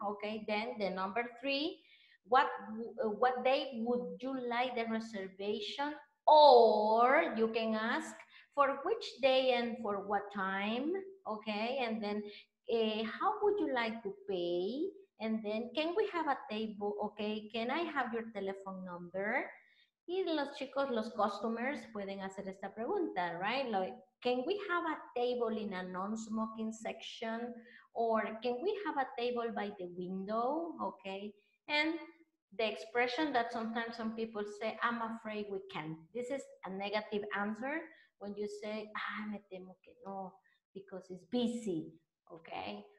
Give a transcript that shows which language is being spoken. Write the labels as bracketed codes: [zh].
[en] Okay, then the number three, what day would you like the reservation? Or you can ask, for which day and for what time? Okay, and then how would you like to pay? And then can we have a table? Okay, can I have your telephone number? [es] Y los chicos, los customers, pueden hacer esta pregunta, right? [en] Like, can we have a table in a non-smoking section? Or can we have a table by the window? Okay, and the expression that sometimes some people say, I'm afraid we can't. This is a negative answer when you say, ah, [es] me temo que no, [en] because it's busy, okay?